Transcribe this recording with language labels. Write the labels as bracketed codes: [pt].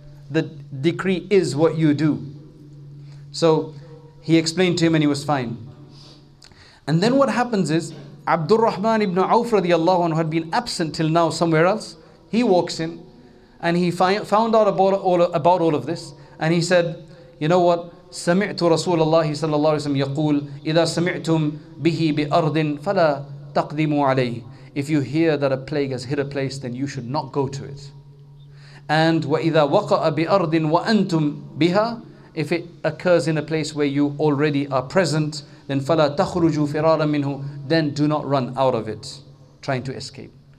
[en] The decree is what you do. So he explained to him and he was fine. And then what happens is, Abdul Rahman ibn Awf radiallahu anhu had been absent till now somewhere else. He walks in and he found out about all of this. And he said, you know what? [ar] سمعت رسول الله صلى الله عليه وسلم يقول إذا سمعتم به بأرض فلا تقدموا عليه. [en] If you hear that a plague has hit a place, then you should not go to it. And [ar] وإذا وقع بأرض وأنتم بها, [en] if it occurs in a place where you already are present, then [ar] فلا تخرجوا فرارا منه, [en] then do not run out of it, trying to escape.